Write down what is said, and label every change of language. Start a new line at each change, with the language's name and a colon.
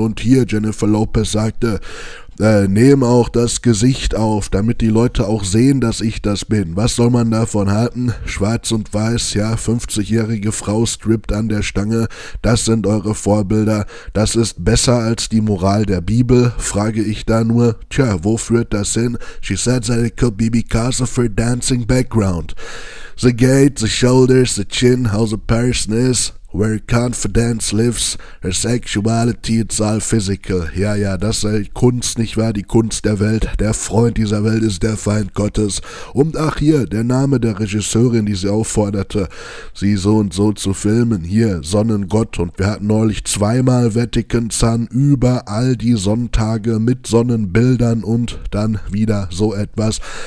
German: Und hier, Jennifer Lopez sagte, nehme auch das Gesicht auf, damit die Leute auch sehen, dass ich das bin. Was soll man davon halten? Schwarz und weiß, ja, 50-jährige Frau strippt an der Stange. Das sind eure Vorbilder. Das ist besser als die Moral der Bibel, frage ich da nur. Tja, wo führt das hin?
English: She said that it could be because of her dancing background. The gait, the shoulders, the chin, how the person is. Where confidence lives, her sexuality, it's all physical.
German: Ja, ja, das sei Kunst, nicht wahr? Die Kunst der Welt. Der Freund dieser Welt ist der Feind Gottes. Und ach hier, der Name der Regisseurin, die sie aufforderte, sie so und so zu filmen. Hier, Sonnengott. Und wir hatten neulich zweimal Vatikanzahn über all die Sonntage mit Sonnenbildern und dann wieder so etwas.